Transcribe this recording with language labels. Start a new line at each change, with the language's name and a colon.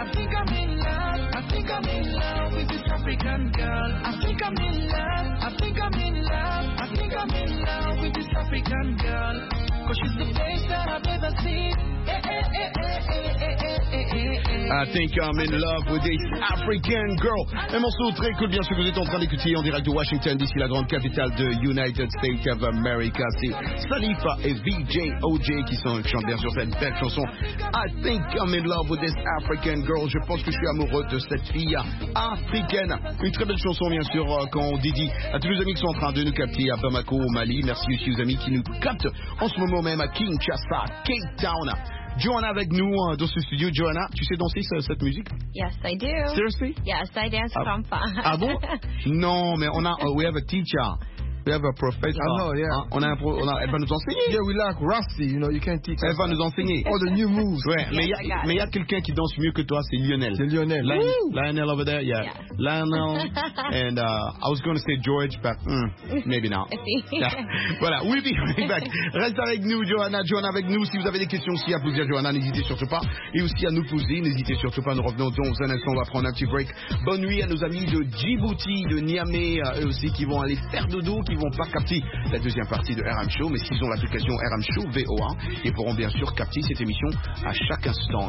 English: I think I'm in love with this African girl. I think I'm in love with this African girl. Cause she's the best that I've ever seen. I think I'm in love with this African girl.
French: Un morceau très cool, bien sûr, que vous êtes en train d'écouter en direct de Washington, d'ici la grande capitale de United States of America. C'est Salifa et VJ OJ qui chantent bien sûr cette belle chanson.
English: I think I'm in love with this African girl.
French: Je pense que je suis amoureux de cette fille africaine. Une très belle chanson, bien sûr, quand on dédie à tous les amis qui sont en train de nous capter à Bamako, au Mali. Merci aussi aux amis qui nous captent en ce moment même à Kinshasa, Cape Town. Joanna avec nous dans ce studio. Joanna, tu sais danser cette musique?
English: Yes, I do. Seriously? Yes, I dance rumba.
French: Ah bon? Non, mais on a...
English: we have a teacher. We have a professor. I know, yeah.
French: Elle va nous enseigner.
English: Yeah, we like Rusty, you know, you can't teach.
French: Elle va nous enseigner.
English: All the new moves.
French: Ouais,
English: yes,
French: mais il y a quelqu'un qui danse mieux que toi, c'est Lionel. C'est Lionel.
English: Lionel over there, yeah. Lionel. And I was going to say George, but maybe not. Yeah.
French: Voilà,
English: we'll be right back.
French: Reste avec nous, Joanna. Joanna avec nous. Si vous avez des questions aussi à poser à Joanna, n'hésitez surtout pas. Et aussi à nous poser, n'hésitez surtout pas. Nous revenons dans un instant, on va prendre un petit break. Bonne nuit à nos amis de Djibouti, de Niamey, eux aussi qui vont aller faire dodo. Ils ne vont pas capter la deuxième partie de RM Show, mais s'ils ont l'application RM Show VOA, ils pourront bien sûr capter cette émission à chaque instant.